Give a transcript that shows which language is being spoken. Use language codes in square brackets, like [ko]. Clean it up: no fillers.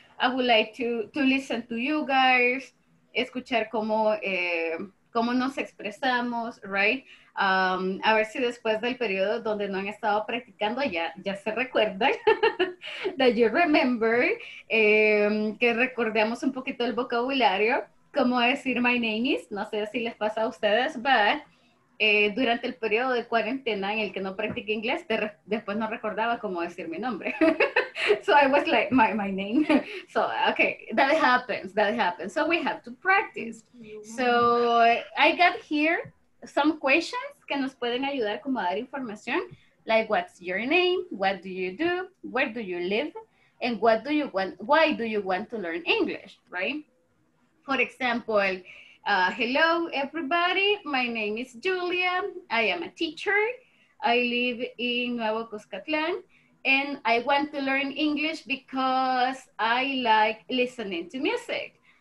[en] I would like to listen to you guys. [es] Escuchar cómo, cómo nos expresamos, right? A ver si después del periodo donde no han estado practicando ya se recuerdan. [en] That you remember. [es] Que recordemos un poquito el vocabulario. Cómo decir [en] my name is. [es] No sé si les pasa a ustedes, but durante el periodo de cuarentena en el que no practiqué inglés, después no recordaba cómo decir mi nombre. [en] So I was like, my name. So, okay, that happens. So we have to practice. So I got here some questions [es] que nos pueden ayudar como a dar información. [en] Like, what's your name? What do you do? Where do you live? And what do you want? Why do you want to learn English, right? For example, hello, everybody. My name is Julia. I am a teacher. I live in Nuevo Cuscatlán. And I want to learn English because I like listening to music.